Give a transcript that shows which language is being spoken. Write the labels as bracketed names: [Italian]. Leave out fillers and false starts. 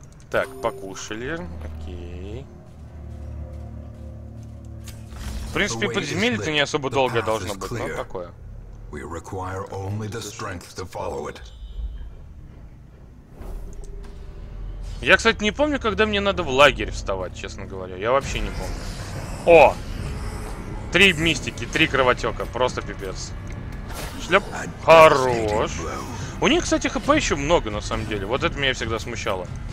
[Russian] Так, покушали. Окей. В принципе, подземелье-то не особо долго должно быть, но такое. [English] We require only the strength to follow it. [Russian] Я, кстати, не помню, когда мне надо в лагерь вставать, честно говоря. Я вообще не помню. О! Три мистики, три кровотека. Просто пипец. Шлеп. Хорош. У них, кстати, хп еще много, на самом деле. Вот это меня всегда смущало.